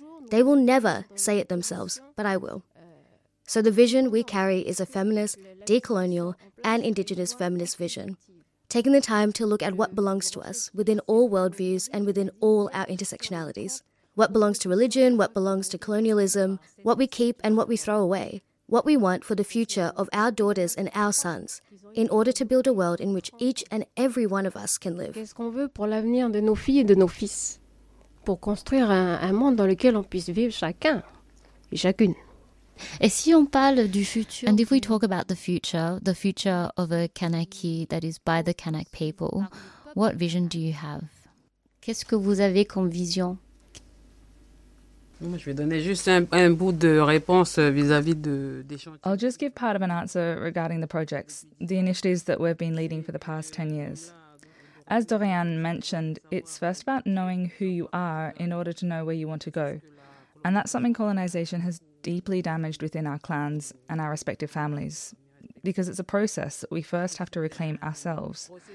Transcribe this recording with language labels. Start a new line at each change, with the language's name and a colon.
English: They will never say it themselves, but I will. So the vision we carry is a feminist, decolonial, and indigenous feminist vision, taking the time to look at what belongs to us within all worldviews and within all our intersectionalities. What belongs to religion, what belongs to colonialism, what we keep and what we throw away, what we want for the future of our daughters and our sons, in order to build a world in which each and every one of us can live.
French: Qu'est-ce qu'on veut pour l'avenir de nos filles et de nos fils? Pour construire un monde dans lequel on puisse vivre chacun et chacune. Et si on parle du futur?
English: And if we talk about the future of a Kanaki that is by the Kanak people, what vision do you have?
French: Qu'est-ce que vous avez comme vision? Je vais donner juste un bout de réponse vis-à-vis de des chantiers.
English: I'll just give part of an answer regarding the projects, the initiatives that we've been leading for the past 10 years. As Dorian mentioned, it's first about knowing who you are in order to know where you want to go. And that's something colonization has deeply damaged within our clans and our respective families, because it's a process that we first have to reclaim ourselves.